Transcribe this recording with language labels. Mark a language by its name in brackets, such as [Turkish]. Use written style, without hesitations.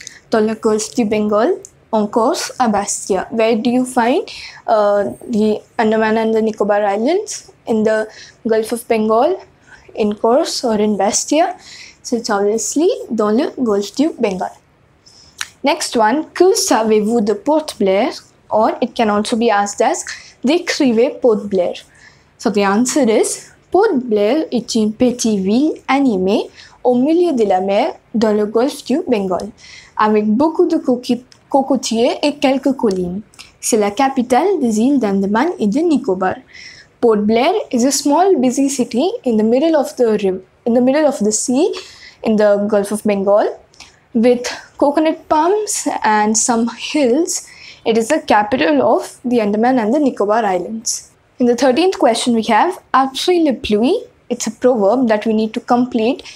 [French] Dans le golfe du Bengale, en Corse, à Bastia. [English] Where do you find the Andaman and the Nicobar Islands? In the Gulf of Bengal, in Corse, or in Bastia? So it's obviously [French] dans le golfe du Bengale. [English] Next one, [French] que savez-vous de Port Blair? [English] Or it can also be asked as, [French] décrivez Port Blair. [English] So the answer is, [French] Port Blair est une petite ville animée au milieu de la mer dans le golfe du Bengale, avec beaucoup de cocotiers et quelques collines. C'est la capitale des îles d'Andaman et de Nicobar. [English] Port Blair is a small busy city in the middle of the river, in the middle of the sea in the Gulf of Bengal, with coconut palms and some hills. It is the capital of the Andaman and the Nicobar Islands. In the 13th question we have, [French] après la pluie, [English] it's a proverb that we need to complete.